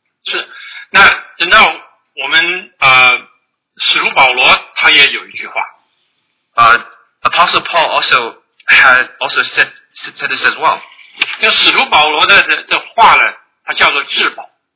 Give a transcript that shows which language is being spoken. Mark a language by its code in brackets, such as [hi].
[zh] 是，那等到我们使徒保罗他也有一句话。 [en] Apostle Paul also said this as well. [zh] 那使徒保罗的话呢，它叫做至宝。